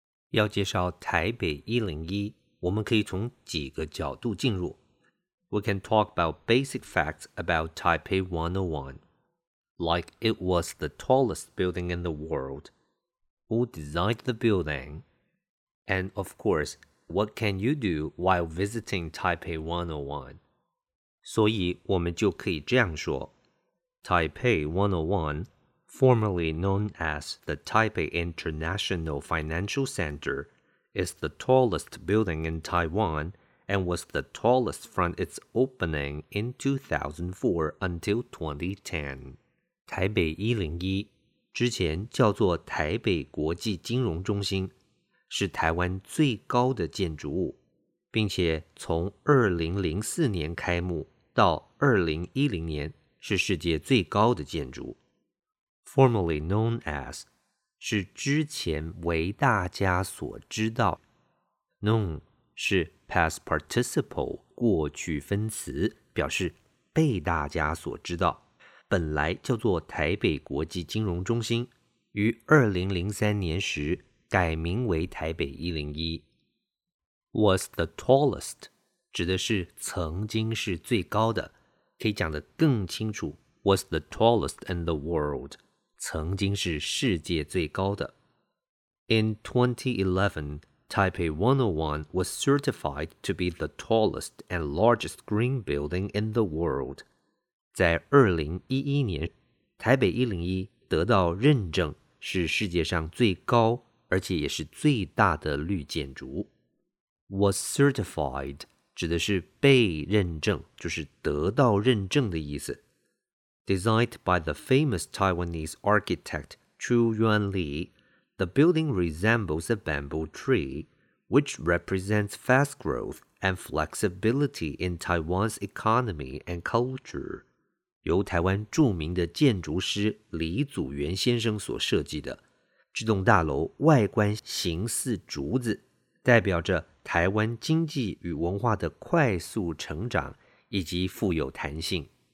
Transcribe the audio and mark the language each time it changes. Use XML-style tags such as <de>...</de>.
<zh>要介绍台北101，我们可以从几个角度进入。</zh> <en>We can talk about basic facts about Taipei 101, like it was the tallest building in the world, who designed the building, and of course, what can you do while visiting Taipei 101.</en> <zh>所以我们就可以这样说 Taipei 101.</zh> <en>Formerly known as the Taipei International Financial Center, is the tallest building in Taiwan and was the tallest from its opening in 2004 until 2010.</en> <zh>台北101之前叫做台北国际金融中心，是台湾最高的建筑物，并且从2004年开幕到2010年是世界最高的建筑。</zh> <en>Formerly known as,</en> <zh>是之前为大家所知道。 Known 是 past participle, 过去分词，表示被大家所知道。本来叫做台北国际金融中心，于2003年时改名为台北101。</zh> <en>Was the tallest,</en> <zh>指的是曾经是最高的，可以讲得更清楚。</zh> <en>Was the tallest in the world.</en> <zh>曾经是世界最高的。</zh> <en>In 2011, Taipei 101 was certified to be the tallest and largest green building in the world.</en> <zh>在2011年，台北101得到认证是世界上最高而且也是最大的绿建筑。</zh> <en>Was certified</en> <zh>指的是被认证，就是得到认证的意思。</zh> <en>Designed by the famous Taiwanese architect Chu Yuan Lee, the building resembles a bamboo tree, which represents fast growth and flexibility in Taiwan's economy and culture.</en> <zh>由台湾著名的建筑师李祖元先生所设计的，这栋大楼外观形似竹子，代表着台湾经济与文化的快速成长以及富有弹性。</zh>